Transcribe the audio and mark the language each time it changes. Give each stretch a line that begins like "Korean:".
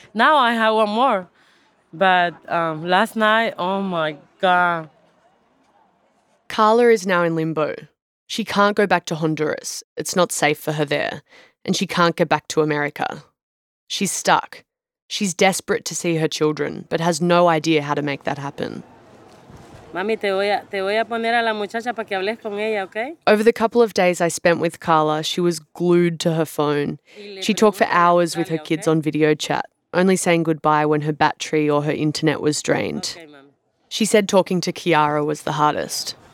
English: Now I have one more. But last night, oh my God. Carla is now in limbo. She can't go back to Honduras. It's not safe for her there. And she can't get back to America. She's stuck. She's desperate to see her children, but has no idea how to make that happen.
Spanish: Mami, te voy a poner a la muchacha para que hables con ella, okay?
English: Over the couple of days I spent with Carla, she was glued to her phone. She talked for hours with her kids on video chat, only saying goodbye when her battery or her internet was drained. She said talking to Kiara was the hardest.